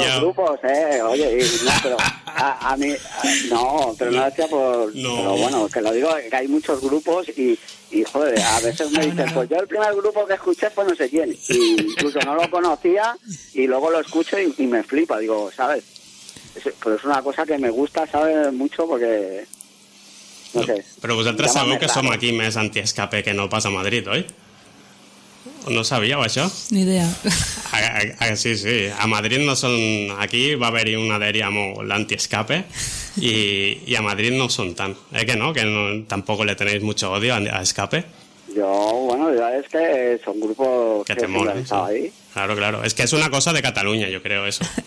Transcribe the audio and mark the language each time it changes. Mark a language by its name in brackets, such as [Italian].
[Spanish] Hay otros grupos, ¿eh? Oye, y, no, pero a mí... No, pero no hacía por... No. Pero bueno, que lo digo, que hay muchos grupos y joder, a veces me dicen, pues yo el primer grupo que escuché fue no sé quién. Y incluso no lo conocía y luego lo escucho y me flipa, digo, ¿sabes? Pero es una cosa que me gusta, ¿sabes? Mucho porque... No sé. [Catalan] Pero vosaltres sabeu que som aquí més anti-escape que no pas a Madrid, oi? No sabíeu això? Ni idea. Sí. A Madrid no són... Aquí va haver-hi una dèria molt anti-escape i a Madrid no són tant. ¿Eh que no? [Spanish] Que no, tampoc le tenéis mucho odio a escape. Yo, bueno, ya es que son grupos que te molen, sí. Claro, claro. Es que es una cosa de Cataluña, yo creo, eso.